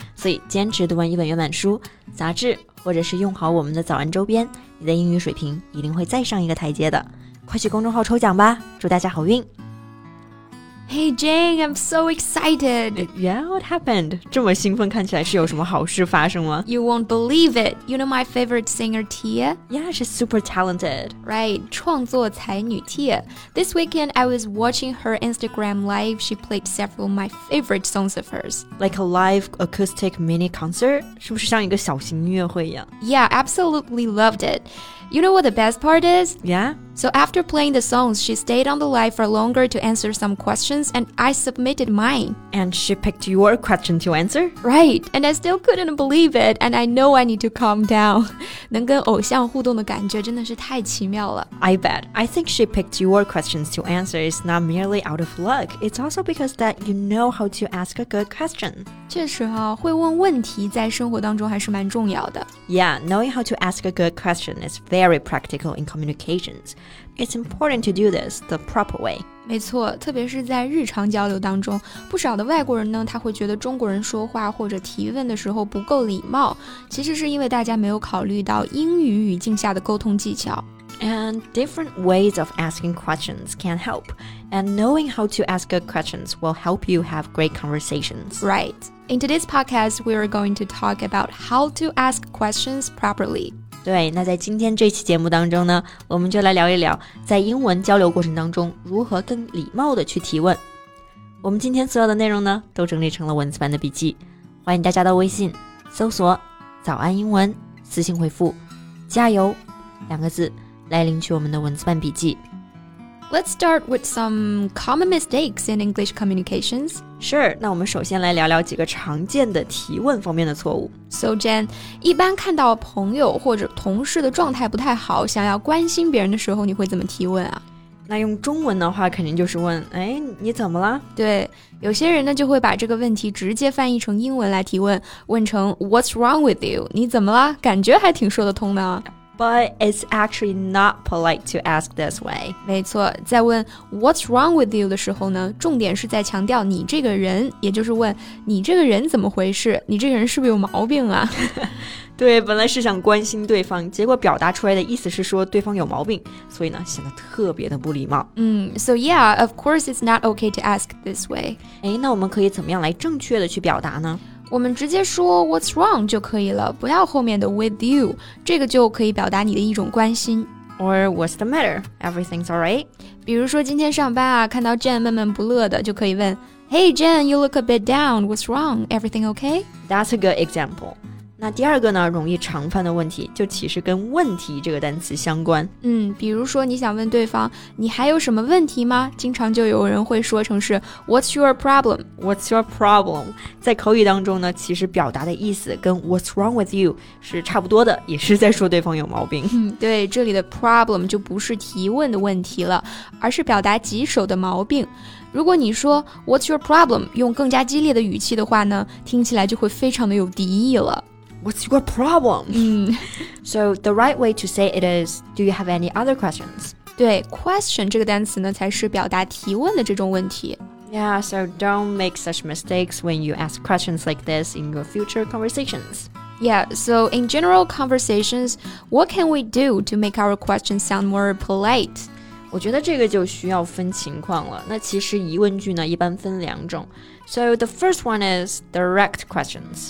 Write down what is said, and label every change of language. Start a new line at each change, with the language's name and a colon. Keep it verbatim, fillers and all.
Chinese: 所以坚持读完一本原版书、杂志，或者是用好我们的早安周边，你的英语水平一定会再上一个台阶的。快去公众号抽奖吧，祝大家好运。
English: Hey Jane, I'm so excited. Yeah, what happened?
Chinese: 这么兴奋，看起来是有什么好事发生吗？
English: You won't believe it. You know my favorite singer, Tia? Yeah, she's super talented. Right,
Chinese: 创作才女
English: Tia. This weekend, I was watching her Instagram live. She played several of my favorite songs of hers. Like a live acoustic mini concert?
Chinese: 是不是像一个小型音乐会一样？
English: Yeah, absolutely loved it. You know what the best part is? Yeah? So after playing the songs, she stayed on the live for longer to answer some questions, and I submitted mine. And she picked your question to answer? Right, and I still couldn't believe it, and I know I need to calm down.
Chinese: 能跟偶像互动的感觉真的是太奇妙了。
English: I bet. I think she picked your questions to answer is not merely out of luck. It's also because that you know how to ask a good question.
Chinese: 确实啊，会问问题在生活当中还是蛮重要的。
English: Yeah, knowing how to ask a good question is very practical in communications. It's important to do this the proper way.
Chinese: 没错，特别是在日常交流当中，不少的外国人呢，他会觉得中国人说话或者提问的时候不够礼貌，其实是因为大家没有考虑到英语语境下的沟通技巧。
English: And different ways of asking questions can help. And knowing how to ask good questions will help you have great conversations. Right. In today's podcast, we are going to talk about how to ask questions properly.
Chinese: 对，那在今天这期节目当中呢，我们就来聊一聊在英文交流过程当中如何更礼貌的去提问。我们今天所有的内容呢，都整理成了文字版的笔记，欢迎大家到微信搜索早安英文，私信回复加油两个字来领取我们的文字版笔记。
English: Let's start with some common mistakes in English communications. Sure,
Chinese: 那我们首先来聊聊几个常见的提问方面的错误。 So Jen, 一般看到朋友或者同事的状态不太好，想要关心别人的时候，你会怎么提问啊？那用中文的话，肯定就是问，哎，你怎么了？对，有些人呢就会把这个问题直接翻译成英文来提问，问成
English: What's wrong with you?
Chinese: 你怎么了？感觉还挺说得通的啊。
English: But it's actually not polite to ask this way.
Chinese: 没错，在问
English: What's wrong with you
Chinese: 的时候呢，重点是在强调你这个人，也就是问你这个人怎么回事，你这个人是不是有毛病啊？对，本来是想关心对方，结果表达出来的意思是说对方有毛病，所以呢显得特别的不礼貌。
English: 嗯 ，So yeah, of course it's not okay to ask this way.
Chinese: 哎，那我们可以怎么样来正确的去表达呢？我们直接说
English: what's wrong
Chinese: 就可以了，不要后面的 with you， 这个就可以表达你的一种关心。
English: Or what's the matter? Everything's alright.
Chinese: 比如说今天上班啊，看到 Jen 闷闷不乐的，就可以问
English: Hey Jen, you look a bit down. What's wrong? Everything okay? That's a good example.
Chinese: 那第二个呢，容易常犯的问题，就其实跟问题这个单词相关。嗯，比如说你想问对方，你还有什么问题吗？经常就有人会说成是
English: What's your problem? What's your problem?
Chinese: 在口语当中呢，其实表达的意思跟
English: What's wrong with you
Chinese: 是差不多的，也是在说对方有毛病。嗯，对，这里的 problem 就不是提问的问题了，而是表达棘手的毛病。如果你说
English: What's your problem?
Chinese: 用更加激烈的语气的话呢，听起来就会非常的有敌意了。
English: What's your problem? 嗯 So the right way to say it is, do you have any other questions?
Chinese: 对 ，question 这个单词呢，才是表达提问的这种问题。
English: Yeah, so don't make such mistakes when you ask questions like this in your future conversations. Yeah, so in general conversations, what can we do to make our questions sound more polite?
Chinese: 我觉得这个就需要分情况了。那其实疑问句呢，一般分两种。
English: So the first one is direct questions.